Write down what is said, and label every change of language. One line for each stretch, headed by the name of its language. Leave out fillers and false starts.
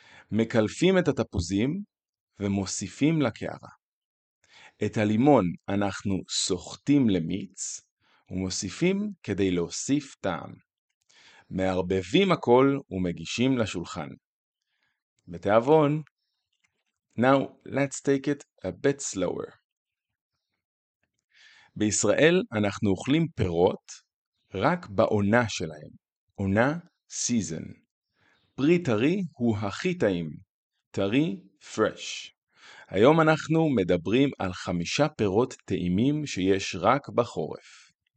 Hebrew: מקלפים את התפוזים ומוסיפים לקערה. את הלימון אנחנו סוחטים למיץ ומוסיפים כדי להוסיף טעם. מערבבים הכל ומגישים לשולחן. בתיאבון.
English: Now let's take it a bit slower.
Hebrew: בישראל אנחנו אוכלים פירות רק בעונה שלהם. עונה, season. פרי טרי הוא הכי טעים. טרי, fresh. היום אנחנו מדברים על חמישה פירות טעימים שיש רק בחורף.